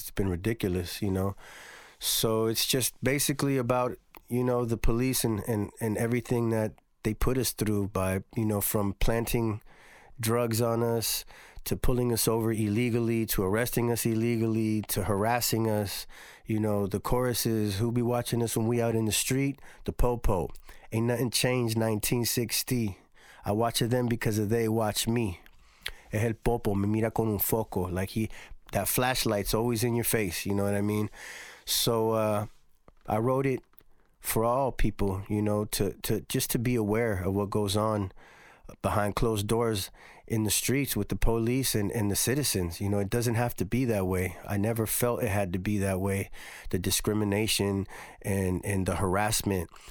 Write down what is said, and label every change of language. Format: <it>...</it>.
<en>It's been ridiculous, you know. So it's just basically about, you know, the police and everything that they put us through by, you know, from planting drugs on us to pulling us over illegally to arresting us illegally to harassing us. You know, the chorus is, who be watching us when we out in the street? The popo. Ain't nothing changed 1960. I watch of them because of they watch me.</en> <es>Es el popo, me mira con un foco.</es> <en>Like that flashlight's always in your face, you know what I mean? So I wrote it for all people, you know, to just to be aware of what goes on behind closed doors in the streets with the police and the citizens. You know, it doesn't have to be that way. I never felt it had to be that way, the discrimination and the harassment.</en>